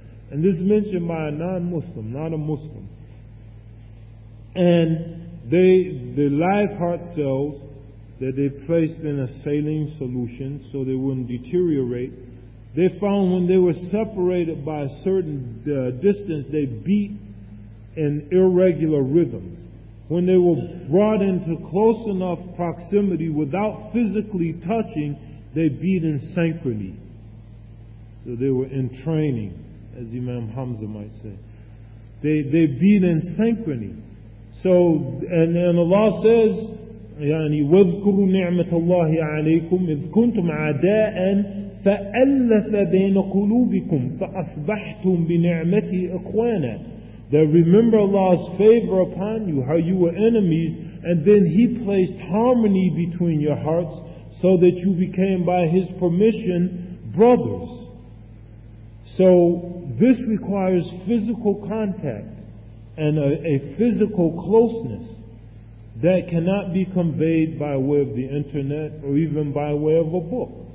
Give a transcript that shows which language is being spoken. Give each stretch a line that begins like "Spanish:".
English: And this is mentioned by a non-Muslim, not a Muslim. And the live heart cells that they placed in a saline solution so they wouldn't deteriorate, they found when they were separated by a certain distance, they beat in irregular rhythms. When they were brought into close enough proximity without physically touching, they beat in synchrony. So they were in training, as Imam Hamza might say. They beat in synchrony. So, and Allah says,
Arabic: يعني وَذْكُرُوا نِعْمَةَ اللَّهِ عَلَيْكُمْ إِذْ كُنْتُمْ عَدَاءً فَأَلَّفَ بَيْنَ قُلُوبِكُمْ فَأَصْبَحْتُمْ بِنِعْمَتِهِ إِخْوَانًا.
English: That remember Allah's favor upon you, how you were enemies, and then He placed harmony between your hearts so that you became by His permission brothers. So this requires physical contact and a physical closeness that cannot be conveyed by way of the internet or even by way of a book.